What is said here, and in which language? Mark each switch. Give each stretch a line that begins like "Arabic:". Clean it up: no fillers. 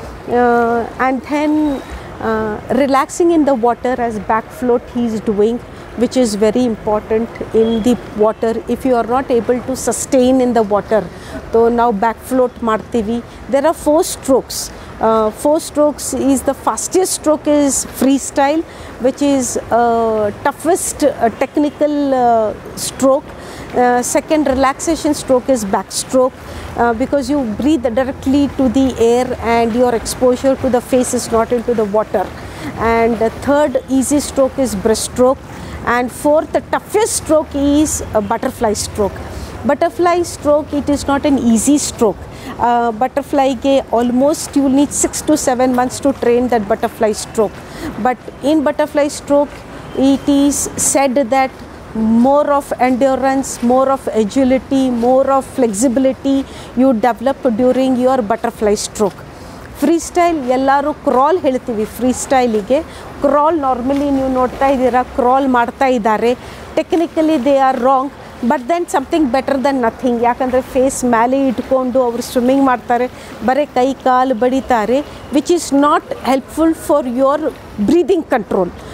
English: And then relaxing in the water as back float he is doing which is very important in the water. If you are not able to sustain in the water though
Kannada: ನಾವು back float ಮಾಡ್ತೀವಿ.
English: There are four strokes. Four strokes is the fastest stroke is freestyle which is toughest technical stroke. Second relaxation stroke is backstroke because you breathe directly to the air and your exposure to the face is not into the water. And third easy stroke is breaststroke. And fourth toughest stroke is a butterfly stroke. Butterfly stroke, it is not an easy stroke. Butterfly ke almost you need 6 to 7 months to train that butterfly stroke. But in butterfly stroke, it is said that more of endurance, more of agility, more of flexibility you develop during your butterfly stroke.
Kannada: Freestyle, ಎಲ್ಲರೂ crawl ಹೇಳ್ತೀವಿ ಫ್ರೀಸ್ಟೈಲಿಗೆ. Crawl normally ನೀವು ನೋಡ್ತಾ ಇದ್ದೀರಾ, crawl ಮಾಡ್ತಾ ಇದ್ದಾರೆ.
English: Technically they are wrong, but then something better then nothing.
Kannada: ಯಾಕಂದರೆ face ಮೇಲೆ ಇಟ್ಕೊಂಡು ಅವರು ಸ್ವಿಮ್ಮಿಂಗ್ ಮಾಡ್ತಾರೆ, ಬರೀ ಕೈ ಕಾಲು ಬಡಿತಾರೆ,
English: Which is not helpful for your breathing control.